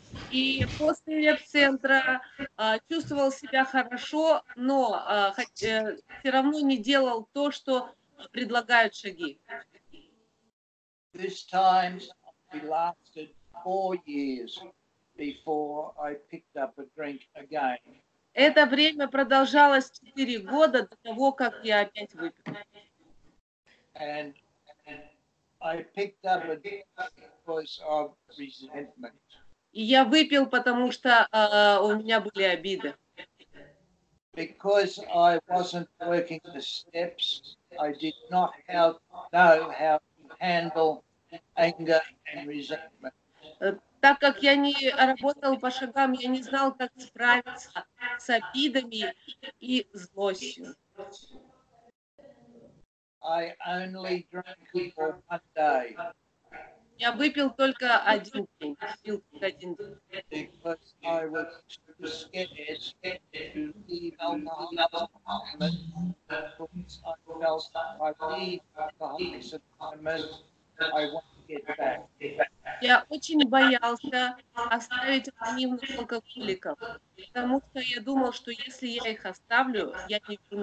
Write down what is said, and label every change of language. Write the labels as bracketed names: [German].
[Russian] И после реп-центра чувствовал себя хорошо, но все равно не делал то, что предлагают шаги. [English] This time I lasted 4 years before I picked up a drink again. [Russian] Это время продолжалось 4 года до того, как я опять выпил. [English] And I picked up a drink because of resentment. [Russian] И я выпил, потому что у меня были обиды. [English] Because I wasn't working the steps, I did not have, know how to handle anger and resentment. [Russian] Так как я не работал по шагам, я не знал, как справиться с обидами и злостью. [English] I only drank for one day. [Russian] Я выпил только один день. Пил только один день. [English] Because I was too scared to leave alcoholics anonymous. Because I felt that I leave alcoholics anonymous, I want to get back. [Russian] Я очень боялся оставить анонимных алкоголиков, потому что я думал, что если я их оставлю, я не